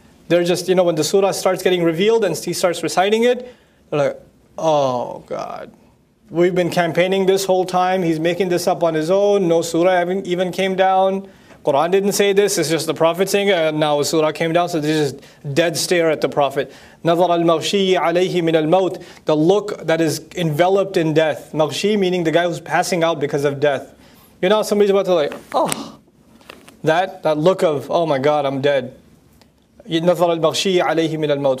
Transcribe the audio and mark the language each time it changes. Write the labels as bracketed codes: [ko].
[en] They're just, you know, when the surah starts getting revealed and he starts reciting it, they're like, oh God. We've been campaigning this whole time. He's making this up on his own. No surah even came down. Quran didn't say this. It's just the Prophet saying it. And now a surah came down. So they just dead stare at the Prophet. [ar] نظر المغشي عليه من الموت. [en] The look that is enveloped in death. مغشي meaning the guy who's passing out because of death. You know, somebody's about to like, oh. That look of, oh my God, I'm dead. [ar] نظر المغشي عليه من الموت.